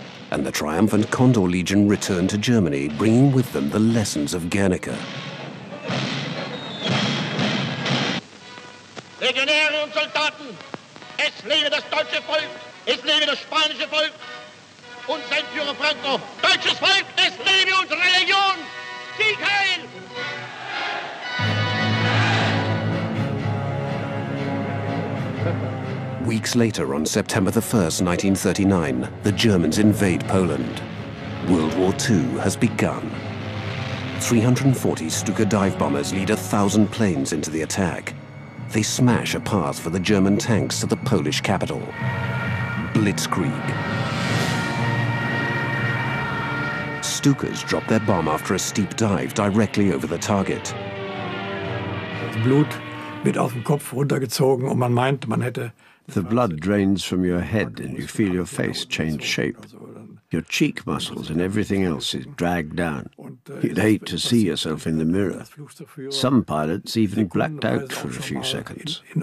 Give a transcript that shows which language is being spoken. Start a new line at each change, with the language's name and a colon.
English: and the triumphant Condor Legion returned to Germany, bringing with them the lessons of Guernica.
German: Legionäre und Soldaten, es lebe das deutsche Volk, es lebe das spanische Volk und sein Führer Franco. Deutsches Volk, es lebe unsere Legion. Sieg heil!
English: Weeks later, on September the 1st, 1939, the Germans invade Poland. World War II has begun. 340 Stuka dive bombers lead 1,000 planes into the attack. They smash a path for the German tanks to the Polish capital. Blitzkrieg. Stukas drop their bomb after a steep dive directly over the target.
German: Blut wird aus dem Kopf runtergezogen und man meint, man hätte...
English: The blood drains from your head and you feel your face change shape. Your cheek muscles and everything else is dragged down. You'd hate to see yourself in the mirror. Some pilots even blacked out for a few seconds.